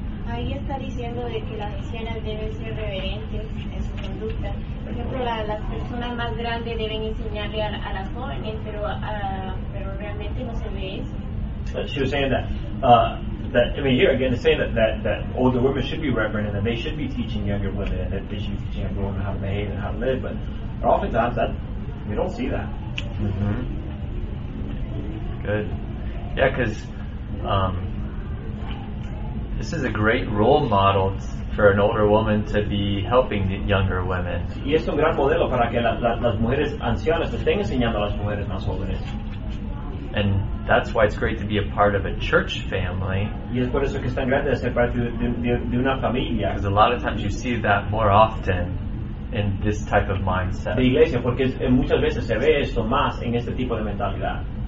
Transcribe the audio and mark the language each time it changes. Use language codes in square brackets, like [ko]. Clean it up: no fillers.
[es] Ahí está diciendo de que las ancianas deben ser reverentes en su conducta. Por ejemplo, las personas más grandes deben enseñarle a las jóvenes, pero realmente no se ve eso. [en] She was saying that that, I mean, here again, to say that, that older women should be reverent and that they should be teaching younger women and that they should be teaching younger women how to behave and how to live, but oftentimes that we don't see that. Mm-hmm. Good. Yeah, because this is a great role model for an older woman to be helping the younger women. [es] Y es un gran modelo para que las mujeres ancianas estén enseñando a las mujeres más jóvenes. [en] And that's why it's great to be a part of a church family. [es] Y es por eso que es tan grande ser parte de una familia. [en] Because a lot of times you see that more often in this type of mindset. [es] De iglesia, porque muchas veces se ve esto más en este tipo de mentalidad.